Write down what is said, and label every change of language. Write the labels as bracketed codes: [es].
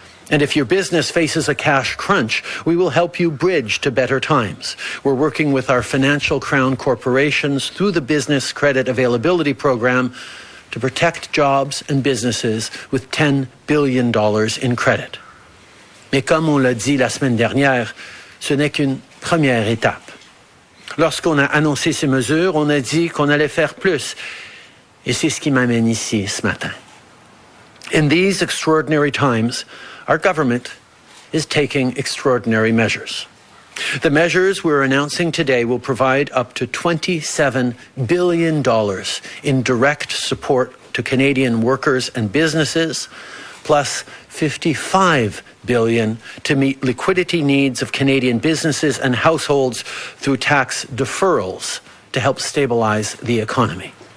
[en] And if your business faces a cash crunch, we will help you bridge to better times. We're working with our financial crown corporations through the Business Credit Availability Program to protect jobs and businesses with $10 billion in credit. [fr] Mais comme on l'a dit la semaine dernière, ce n'est qu'une première étape. Lorsqu'on a annoncé ces mesures, on a dit qu'on allait faire plus. Et c'est ce qui m'amène ici ce matin. [en] In these extraordinary times, our government is taking extraordinary measures. The measures we're announcing today will provide up to $27 billion in direct support to Canadian workers and businesses, plus $55 billion to meet liquidity needs of Canadian businesses and households through tax deferrals to help stabilize the economy.